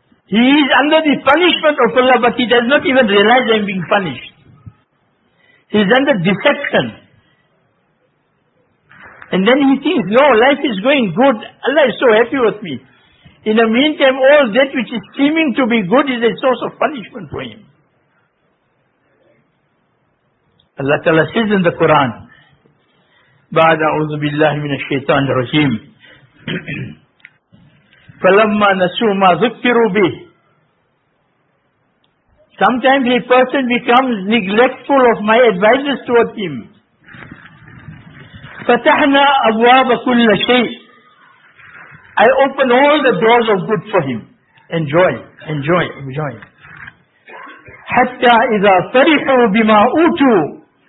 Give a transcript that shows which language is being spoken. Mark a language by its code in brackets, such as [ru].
[en] He is under the punishment of Allah, but he does not even realize he is being punished. He is under deception. And then he thinks, no, life is going good. Allah is so happy with me. In the meantime, all that which is seeming to be good is a source of punishment for him. Allah Ta'ala says in the Quran, [ar] بَعَدَ أَعُوذُ بِاللَّهِ مِنَ الشَّيْطَانِ الرَّجِيمِ فَلَمَّا نَسُوا مَا ذُكِّرُوا بِهِ. [en] Sometimes a person becomes neglectful of my advices toward him. [ar] فَتَحْنَا أَبْوَابَ كُلَّ شَيْءٍ. [en] I open all the doors of good for him. Enjoy, enjoy, enjoy. [ar] حَتَّى إِذَا فَرِحُوا بِمَا أُوتُوا.